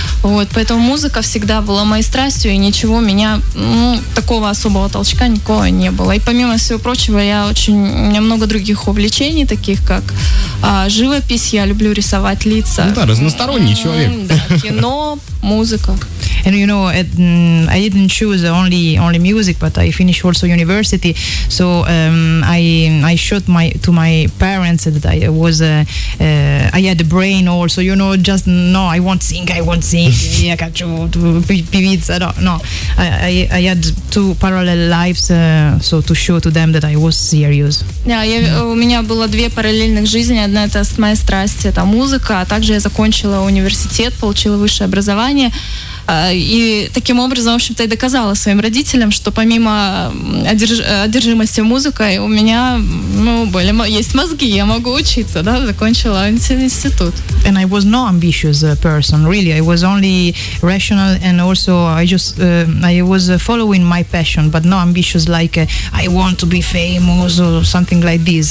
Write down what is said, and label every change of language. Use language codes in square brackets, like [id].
[ru] Вот, поэтому музыка всегда была моей страстью, и ничего у меня, такого особого толчка никакого не было. И помимо всего прочего, у меня много других увлечений, таких как живопись, я люблю рисовать лица. Ну да, разносторонний человек. Да, кино, музыка. [en] And you know, I didn't choose only music, but I finished also university. So I showed to my parents that I was I had a brain also. You know, just no, I won't sing. I won't sing. Yeah, catch to pizza. No, I had two parallel lives, so to show to them that I was serious. [ru] Yeah, у меня было две параллельных жизни. Одна — это моя страсть, это музыка. А также я закончила университет, получила высшее образование. И таким образом, в общем-то, и доказала своим родителям, что помимо одержимости музыкой, у меня, ну, были, есть мозги, я могу учиться, да, закончила институт. [en] And I was no ambitious person, really. I was only rational and also I just, I was following my passion, but no ambitious like I want to be famous or something like this.